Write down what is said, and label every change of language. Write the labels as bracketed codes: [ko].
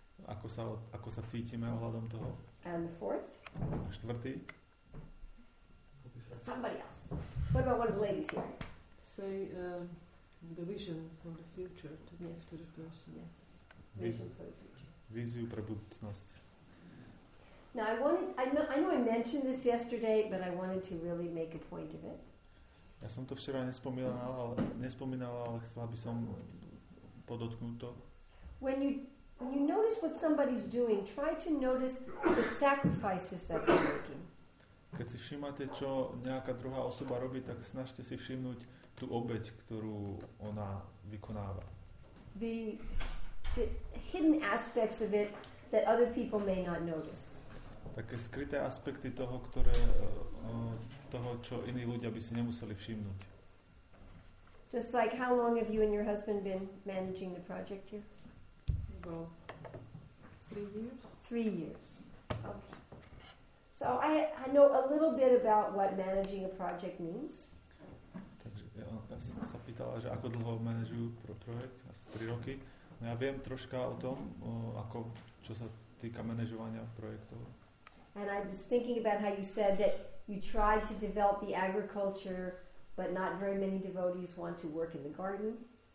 [sk] Ako sa cítime ohľadom toho? [en] And the fourth? [sk] A štvrtý? [en] Somebody else. What about one of the ladies here? Say, the vision for the future to give to the person. Yes. Vision for the future. [sk] Víziu pre budúcnosť. [en] Now I know I mentioned this yesterday, but I wanted to really make a point of it. [sk] Ja som to včera nespomínala, ale chcela by som podotknúť to. [en] When you notice what somebody's doing, try to notice the sacrifices that they're making. [sk] Keď si všímate, čo nejaká druhá osoba robí, tak snažte si všimnúť tú obeť, ktorú ona vykonáva. [en] The hidden aspects of it that other people may not notice. [sk] Také skryté aspekty toho, ktoré toho, čo iní ľudia by si nemuseli všimnúť. [en] Just like how long have you and your husband been managing the project here? Well, 3 years. 3 years. Okay. So I know a little bit about what managing a project means. [sk] Takže ja sa pýtala, že ako dlho manažujú projekt, asi 3 roky. No ja viem troška o tom, ako čo sa týka manažovania projektov. [en] And I was thinking about how you said that you try to develop the agriculture, but not very many devotees want to work in the garden.